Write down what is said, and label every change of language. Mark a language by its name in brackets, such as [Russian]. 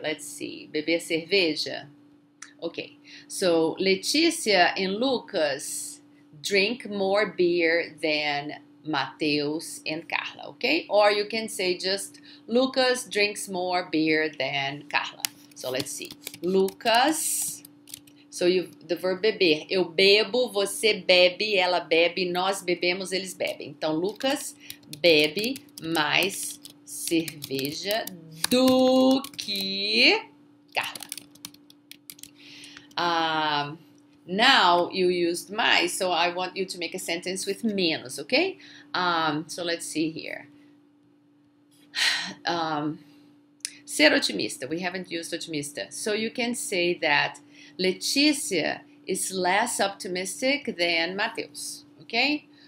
[English] Let's see. [Portuguese] Beber cerveja. [English] Okay. So Letícia and Lucas drink more beer than Mateus and Carla. Okay. Or you can say just Lucas drinks more beer than Carla. So let's see. Lucas. So the verb beber. [Portuguese] Eu bebo, você bebe, ela bebe, nós bebemos, eles bebem. Então Lucas bebe mais cerveja do que Carla. [English] Now you used mais, so I want you to make a sentence with menos, okay? So let's see here. [Portuguese] Ser otimista. [English] We haven't used otimista. So you can say that Letícia is less optimistic than Mateus, okay?